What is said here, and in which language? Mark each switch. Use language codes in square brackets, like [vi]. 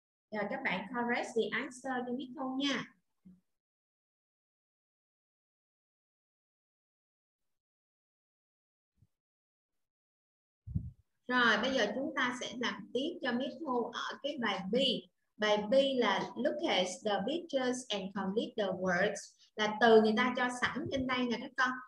[vi] Rồi các bạn [en] correct the answer [vi] cho biết không nha. Rồi bây giờ chúng ta sẽ làm tiếp cho Miss Thu ở cái bài B. Bài B là [en] look at the pictures and complete the words. [vi] Là từ người ta cho sẵn trên đây nè các con.